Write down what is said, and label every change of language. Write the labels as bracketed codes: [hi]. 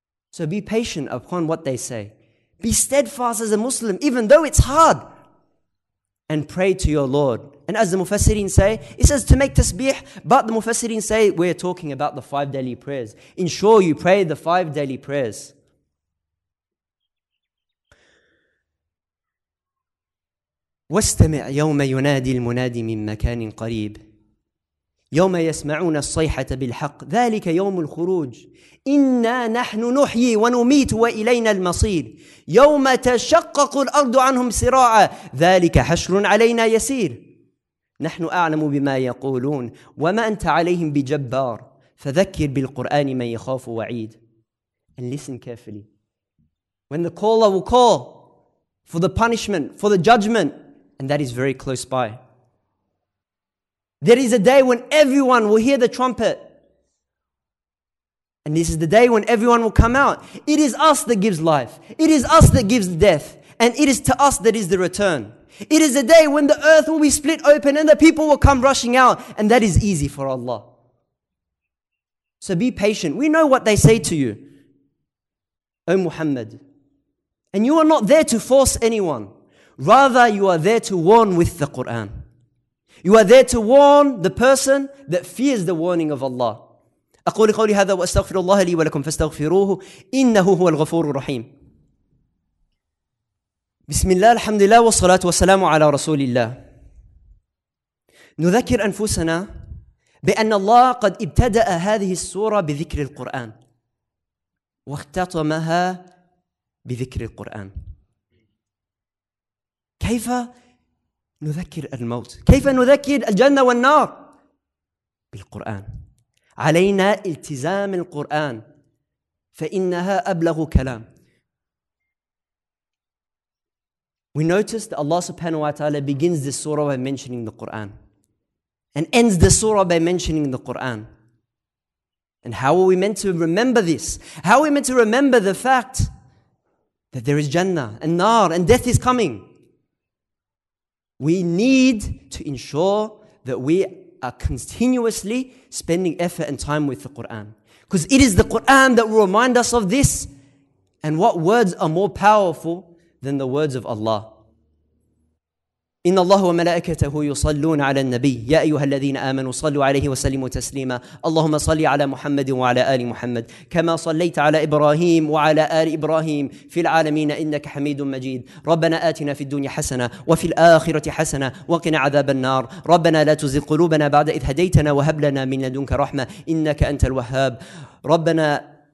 [en] So be patient upon what they say. Be steadfast as a Muslim, even though it's hard. And pray to your Lord. And as the Mufassirin say, it says to make tasbih, but the Mufassirin say, we're talking about the five daily prayers. Ensure you pray the five daily prayers. [ar] واستمع يوم ينادي المنادي من مكان قريب يوم يسمعون الصيحة بالحق ذلك يوم الخروج إنا نحن نحيي ونميت وإلينا المصير يوم تشقق الأرض عنهم سراعا ذلك حشر علينا يسير نحن أعلم بما يقولون وما أنت عليهم بجبار فذكر بالقرآن من يخاف وعيد. [en] And listen carefully. When the caller will call for the punishment, for the judgment, and that is very close by. There is a day when everyone will hear the trumpet. And this is the day when everyone will come out. It is us that gives life. It is us that gives death. And it is to us that is the return. It is a day when the earth will be split open and the people will come rushing out. And that is easy for Allah. So be patient. We know what they say to you, O Muhammad. And you are not there to force anyone. Rather, you are there to warn with the Qur'an. You are there to warn the person that fears the warning of Allah. [ar] أقول قولي هذا وأستغفر الله لي ولكم فاستغفروه إنه هو الغفور الرحيم. بسم الله الحمد لله والصلاة والسلام على رسول الله. نذكر أنفسنا بأن الله قد ابتدأ هذه السورة بذكر القرآن واختتمها بذكر القرآن. كيف نذكر الموت؟ كيف نذكر الجنة والنار؟ بالقرآن. علينا التزام القرآن فإنها أبلغ كلام. [en] We notice that Allah subhanahu wa ta'ala begins this surah by mentioning the Qur'an and ends the surah by mentioning the Qur'an. And how are we meant to remember this? How are we meant to remember the fact that there is Jannah and Nar and death is coming? We need to ensure that we are continuously spending effort and time with the Qur'an. Because it is the Qur'an that will remind us of this. And what words are more powerful than the words of Allah? [ar] إن الله وملائكته يصلون على النبي يا أيها الذين آمنوا صلوا عليه وسلموا تسليما اللهم صل على محمد وعلى آل محمد كما صليت على إبراهيم وعلى آل إبراهيم في العالمين إنك حميد مجيد ربنا آتنا في الدنيا حسنة وفي الآخرة حسنة وقنا عذاب النار ربنا لا تزغ قلوبنا بعد إذ هديتنا وهب لنا من لدنك رحمة إنك أنت الوهاب ربنا